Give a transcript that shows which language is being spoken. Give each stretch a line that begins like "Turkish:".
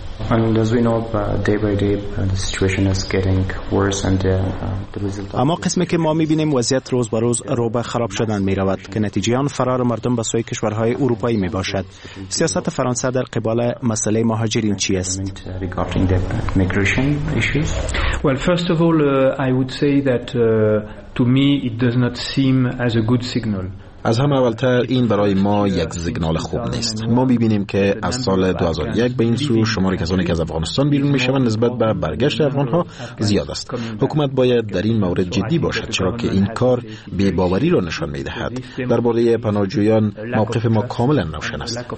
English: And as we know, day by day, the situation is getting worse, and the result.
Persian: اما قسمی که ما می‌بینیم وضعیت روز به روز رو به خراب شدن می‌رود که نتیجه آن فرار مردم به سوی کشورهای اروپایی می‌باشد. سیاست فرانسه در قبال مسئله مهاجرین چی است؟
English: Regarding the migration issues. Well, first of all, I would say that to me, it does not seem as a good signal.
Persian: از همه اولتر این برای ما یک سیگنال خوب نیست. ما می‌بینیم که از سال 2001 به این سو شمار کسانی که از افغانستان بیرون می‌شوند نسبت به برگشت افغان‌ها زیاد است. حکومت باید در این مورد جدی باشد، چرا که این کار بی‌باوری را نشان می‌دهد. درباره پناهجویان موقف ما کاملاً روشن است.